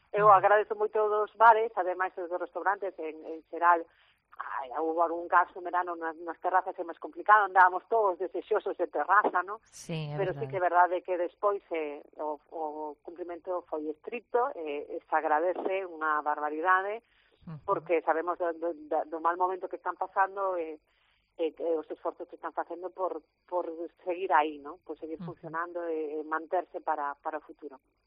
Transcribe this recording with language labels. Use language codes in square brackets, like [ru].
[gl] Eu agradezo moito aos bares, ademais aos restaurantes, en xeral, [es] Ay, hubo algún caso en verano, unas terrazas que más complicado, andábamos todos [gl] desexosos de terraza, [es] ¿no? [gl] Sí, é Pero verdade. sí que é verdade que despois o cumprimento foi estricto, se agradece unha barbaridade, porque sabemos do mal momento que están pasando, os esforzos que están facendo por seguir aí, ¿no? Por seguir funcionando e manterse para o futuro.